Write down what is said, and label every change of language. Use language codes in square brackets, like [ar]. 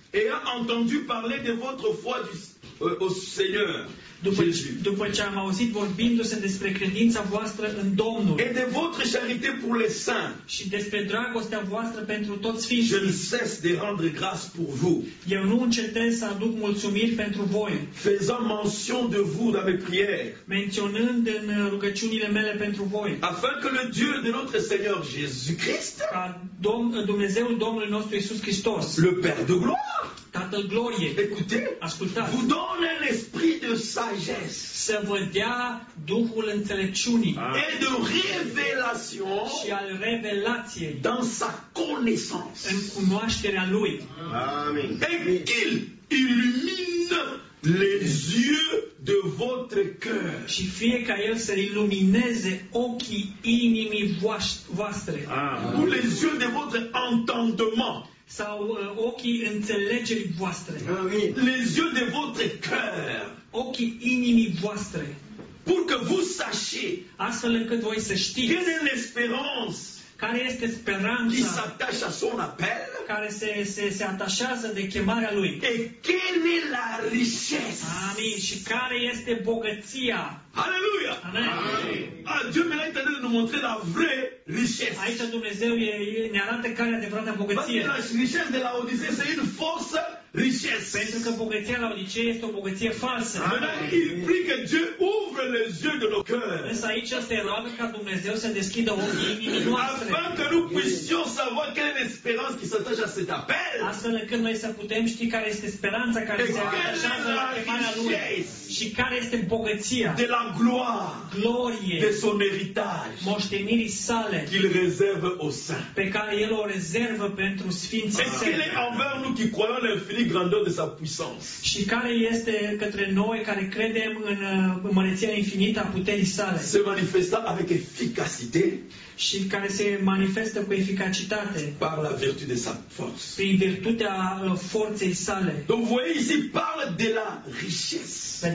[fr] Ayant entendu parler de votre foi au Seigneur. [ro] După ce am auzit vorbindu-se despre credința voastră în Domnul. [fr] Et de votre charité pour les saints. [ro] Și despre dragostea voastră pentru toți sfinții. [fr] Je ne cesse de rendre grâce pour vous. [ro] Eu nu încetez să aduc mulțumiri pentru voi. [fr] Faisant mention de vous dans mes prières. [ro] Menționând în rugăciunile mele pentru voi. [fr] Afin que le Dieu de notre Seigneur Jésus Christ. [ro] Ca Dumnezeul Domnului nostru Iisus Hristos. [fr] Le Père de gloire. [ro] Tatăl gloriei. [fr] Écoutez. [ro] Ascultați. [fr] Vous donne l'esprit de sagesse. [ro] Să vă dea Duhul înțelepciunii. [fr] Et de révélation. [ro] Și al revelației. [fr] Dans sa connaissance. [ro] În cunoașterea lui. Amen. [fr] Et qu'il illumine les yeux de votre cœur. [ro] Și fie ca el să ilumineze ochii inimii voastre. [fr] Ou les yeux de votre entendement. [ro] sau ochii înțelegerii voastre. [fr] Amin. Les yeux de votre cœur. [ro] Ochii inimii voastre. [fr] Pour que vous sachiez. [ro] Astfel încât voi să știți. [fr] Quelle est l'espérance? [ro] Care este speranța? [fr] Qui s'attache à son appel? [ro] Care se atașează de chemarea lui. [fr] Et quelle est la richesse? [ro] Amin. Și care este bogăția? Alléluia. Amen. [fr] Dieu m'a intendu de nous montrer la vraie richesse. [ro] Aici Dumnezeu ne arată calea adevărată a bogăției. [fr] Richesse de la Odisee, c'est une fausse richesse. [ro] Pentru că bogăția la Odisee este o bogăție falsă. [fr] Maintenant, il prie que Dieu ouvre les yeux de nos cœurs. [ro] Însă aici se roagă ca Dumnezeu să deschidă ochii inimii noastre. [fr] Afin que nous puissions savoir quelle est l'espérance qui s'attache à cet appel. [ro] Astfel încât noi să putem ști care este speranța care se atașează la chemarea lui. Și care este bogăția? [fr] La gloire, [ro] glorie, [fr] de son héritage, [ro] moștenirii sale, [fr] qu'il réserve aux saints, [ro] pe care el o rezervă pentru sfinții. [fr] Est-ce qu'il est envers nous qui croyons l'infinie grandeur de sa puissance? [ro] Și care este către noi care credem în măreția infinită a puterii sale? [fr] Se manifesta avec efficacité. [ro] Și care se manifestă cu eficacitate. [fr] Par la virtu de sa force. [ro] Prin virtutea forței sale. [fr] Donc voyez ici parle de la richesse.